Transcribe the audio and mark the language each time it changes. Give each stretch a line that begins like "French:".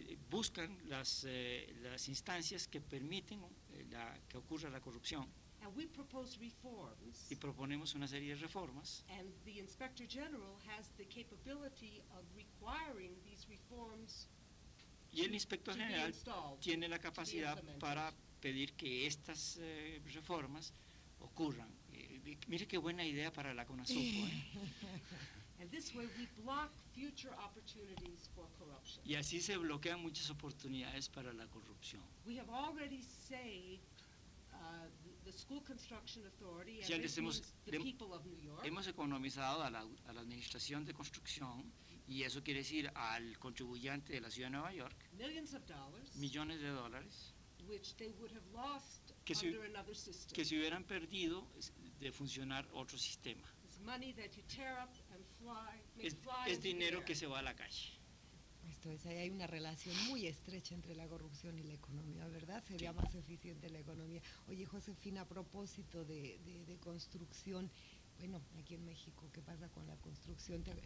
Spanish: Buscan las instancias que permiten que ocurra la corrupción.
English: And we propose reforms.
Spanish: Y proponemos una serie de reformas.
English: And the Inspector General has the capability of requiring these reforms
Spanish: y el Inspector General tiene la capacidad para pedir que estas reformas ocurran. Mire qué buena idea para la CONASUPO.
English: And this way we block future opportunities for corruption.
Spanish: Y así se bloquean muchas oportunidades para la corrupción.
English: We have already saved the School Construction Authority,
Spanish: ya
English: and
Spanish: les hemos,
English: the people of New York.
Spanish: Hemos economizado a la administración de construcción, y eso quiere decir al contribuyente de la ciudad de Nueva York.
English: Millions of dollars.
Spanish: Millones de dólares.
English: Which they would have lost under another system.
Spanish: Que se hubieran perdido de funcionar otro sistema.
English: Money that you tear up and fly.
Spanish: Es dinero que se va a la calle. Esto es, ahí hay una relación muy estrecha entre la corrupción y la economía, ¿verdad? Sería más eficiente la economía. Oye, Josefina, a propósito de construcción, bueno, aquí en México, ¿qué pasa con la construcción?